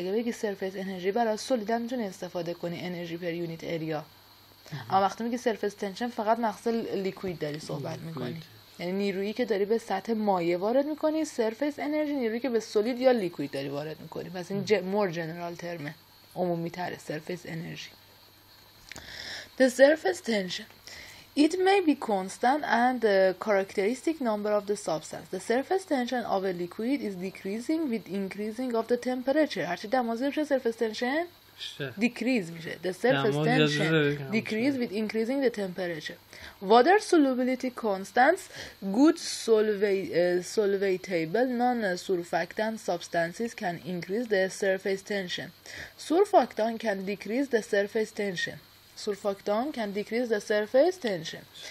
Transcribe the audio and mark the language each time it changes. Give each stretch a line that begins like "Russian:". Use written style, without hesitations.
Persian: اگه بگی surface energy برای solid هم میتونی استفاده کنی
English: energy per unit area
Persian: اما وقتی میگی surface tension فقط مخصوص liquid داری صحبت میکنی یعنی نیرویی که داری به سطح مایع وارد میکنی surface energy نیرویی که به solid یا liquid داری وارد میکنی پس این
English: more general term
Persian: ه عمومی تره surface energy.
English: The surface tension It may be constant and the characteristic number of the substance. The surface tension of a liquid is decreasing with increasing of the temperature.
Persian: هرچی دما زیاد میشه surface tension decrease میشه.
English: The surface tension decrease with increasing the temperature. Water solubility constants, good solvable non-surfactant substances can increase the surface tension. Surfactant can decrease the surface tension. Surfactant can decrease the surface tension.